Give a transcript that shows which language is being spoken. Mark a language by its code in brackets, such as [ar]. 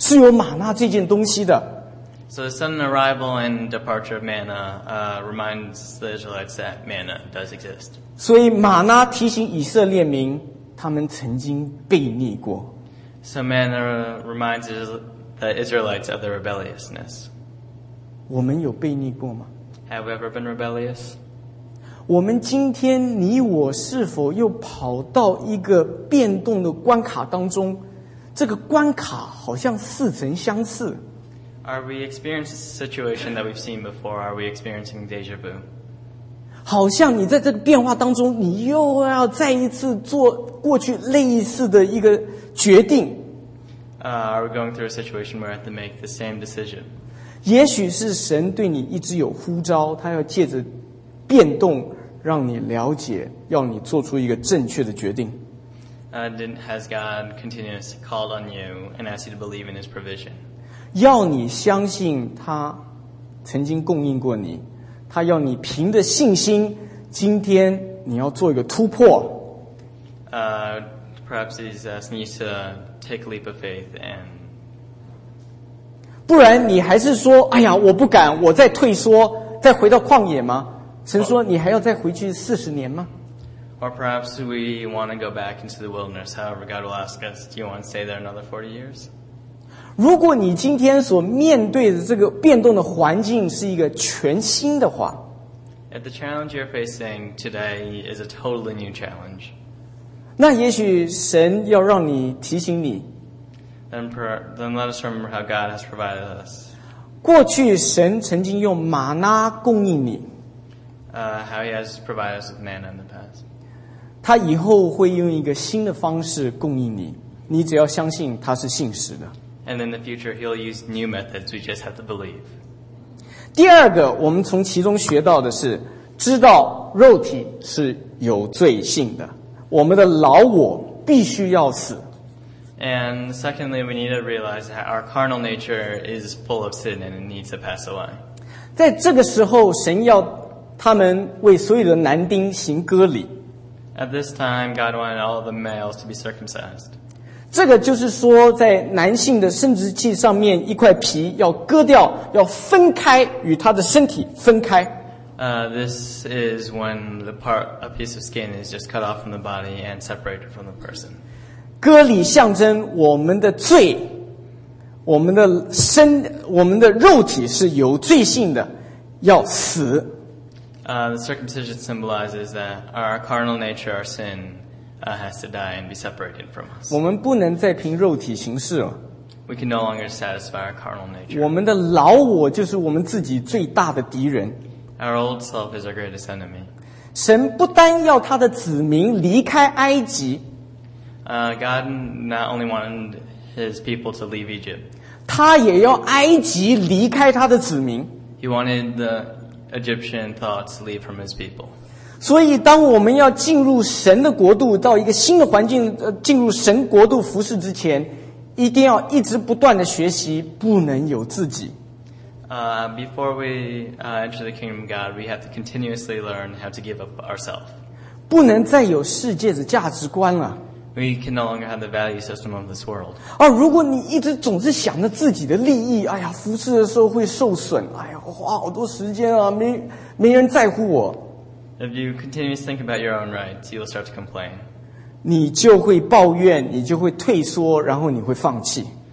[zh] 所以这个玛拿有，突然又没有，让人家想起啊，是有玛拿这件东西的。 [en] So the sudden arrival and departure of manna reminds the Israelites that manna does exist. [zh] 所以玛拿提醒以色列民，他们曾经悖逆过。 [en] So manna reminds the Israelites of their rebelliousness. [zh] 我们有悖逆过吗？ [en] Have we ever been rebellious? [zh] 我们今天你我是否又跑到一个变动的关卡当中？这个关卡好像似曾相似。 [en] Are we experiencing a situation that we've seen before? Are we experiencing deja vu? [zh] 好像你在这个变化当中，你又要再一次做过去类似的一个决定。 [en] Are we going through a situation where I have to make the same decision? [zh] 也许是神对你一直有呼召，他要借着变动让你了解，要你做出一个正确的决定。 [en] Has God continuously called on you and asked you to believe in His provision? [zh] 要你相信他曾经供应过你，他要你凭着信心，今天你要做一个突破。 [en] Perhaps He's asking you to take a leap of faith and. [zh] 不然你还是说，哎呀，我不敢，我再退缩，再回到旷野吗？神说，你还要再回去40年吗？ [en] Or perhaps we want to go back into the wilderness. However, God will ask us, "Do you want to stay there another 40 years?" [zh] 如果你今天所面对的这个变动的环境是一个全新的话 [en] ，If the challenge you're facing today is a totally new challenge, [zh] 那也许神要让你提醒你 [en] ，Then let us remember how God has provided us. [zh] 过去神曾经用玛拿供应你 [en] ，How He has provided us with manna in the past. [zh] 他以后会用一个新的方式供应你，你只要相信他是信实的。 [en] And in the future, he'll use new methods. We just have to believe. [zh] 第二个，我们从其中学到的是，知道肉体是有罪性的，我们的老我必须要死。 [en] And secondly, we need to realize that our carnal nature is full of sin and it needs to pass away. [zh] 在这个时候，神要他们为所有的男丁行割礼。 [en] At this time, God wanted all the males to be circumcised. [zh] 这个就是说，在男性的生殖器上面一块皮要割掉，要分开与他的身体分开。 [en] This is when a piece of skin is just cut off from the body and separated from the person. [zh] 割礼象征我们的罪，我们的肉体是有罪性的，要死。 [en] The circumcision symbolizes that our carnal nature, our sin, has to die and be separated from us. [zh] 我们不能再凭肉体行事了。 [en] We can no longer satisfy our carnal nature. [zh] 我们的老我就是我们自己最大的敌人。 [en] Our old self is our greatest enemy. [zh] 神不单要他的子民离开埃及。 [en] God not only wanted his people to leave Egypt. [zh] 他也要埃及离开他的子民。 [en] He wanted the Egyptian thoughts leave from his people. [zh] 所以当我们要进入神的国度，到一个新的环境，进入神国度服事之前，一定要一直不断的学习，不能有自己。 [en] Before we enter the kingdom of God, we have to continuously learn how to give up ourselves. [zh] 不能再有世界的价值观了。 [en] We can no longer have the value system of this world. [zh] 如果你一直总是想着自己的利益，哎呀，服事的时候会受损，哎呀。花好多时间啊，没人在乎我。 [en] If you continue to think about your own rights, you'll start to complain. [zh] 你就会抱怨，你就会退缩，然后你会放弃。